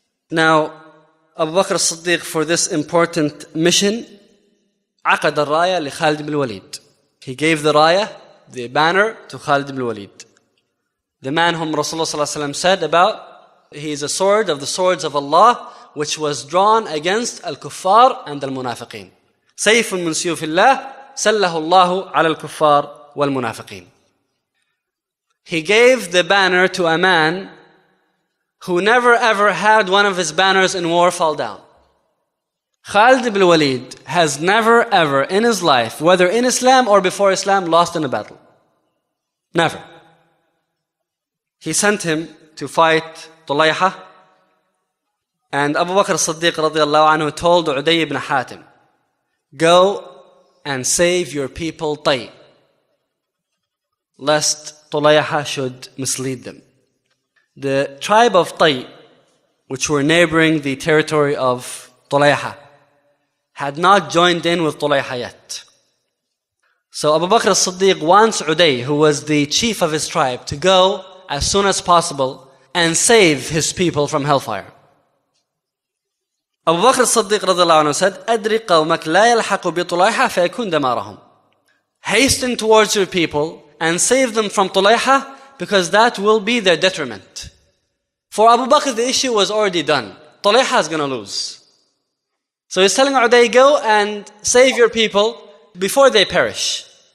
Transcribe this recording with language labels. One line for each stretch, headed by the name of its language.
English: Now, Abu Bakr as-Siddiq, for this important mission,
Arabic: عقد الراية لخالد بن الوليد.
English: He gave the raya, the banner, to Khalid ibn al-Walid. The man whom Rasulullah ﷺ said about, he is a sword of the swords of Allah, which was drawn against al-kuffar and al-munafiqeen.
Arabic: سيف من سيوف الله سله الله على الكفار والمنافقين.
English: He gave the banner to a man who never ever had one of his banners in war fall down. Khalid ibn Walid has never ever in his life, whether in Islam or before Islam, lost in a battle. Never. He sent him to fight Tulayha. And Abu Bakr as-Siddiq radiallahu anhu told Uday ibn Hatim, go and save your people, Tay, lest Tulayha should mislead them. The tribe of Tay, which were neighboring the territory of Tulayha, had not joined in with Tulayha yet. So Abu Bakr as-Siddiq wants Uday, who was the chief of his tribe, to go as soon as possible and save his people from hellfire. Abu Bakr as-Siddiq radiallahu anhu said,
Arabic: أَدْرِ قَوْمَكْ لَا يَلْحَقُ بِطُلَيْحَ فَيَكُونَ دَمَارَهُمْ.
English: Hasten towards your people and save them from Tulayha, because that will be their detriment. For Abu Bakr, the issue was already done. Tulayha is going to lose. So he's telling Uday, go and save your people before they perish.